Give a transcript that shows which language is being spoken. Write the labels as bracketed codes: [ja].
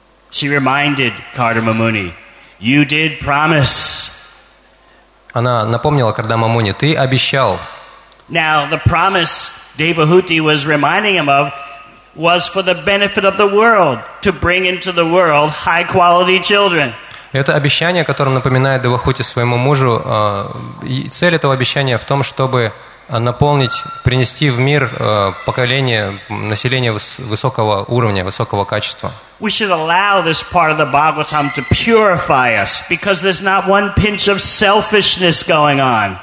[en] She reminded Kardama Muni, "You did promise." [ru] Она напомнила Кардама Муни, ты обещал. [en] Now, the promise Devahuti was reminding him of was for the benefit of the world, to bring into the world high-quality children. [ru] Это обещание, которым напоминает Девахути своему мужу, и цель этого обещания в том, чтобы наполнить, принести в мир поколение, население высокого уровня, высокого качества. [en] We should allow this part of the Bhagavatam to purify us, because there's not one pinch of selfishness going on.